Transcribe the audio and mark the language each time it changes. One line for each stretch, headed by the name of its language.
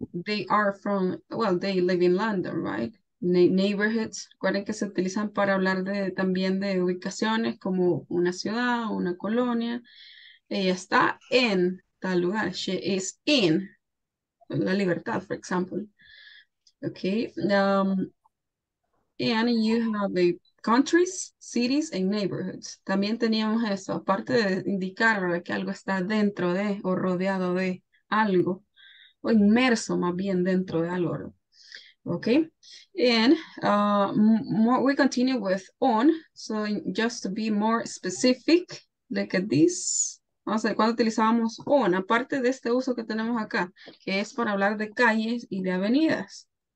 English: They are from, well, they live in London, right? Neighborhoods.
Spanish: Recuerden que se utilizan para hablar de también de ubicaciones como una ciudad, una colonia. Ella está en tal lugar.
English: She is in La Libertad, for example. Okay. And you have a countries, cities, and neighborhoods.
Spanish: También teníamos eso, aparte de indicar que algo está dentro de o rodeado de algo, o inmerso más bien dentro de algo.
English: Okay. And more, we continue with on. So just to be more specific, look at this.
Spanish: Vamos a ver, ¿cuándo utilizábamos on? Aparte de este uso que tenemos acá, que es para hablar de calles y de avenidas.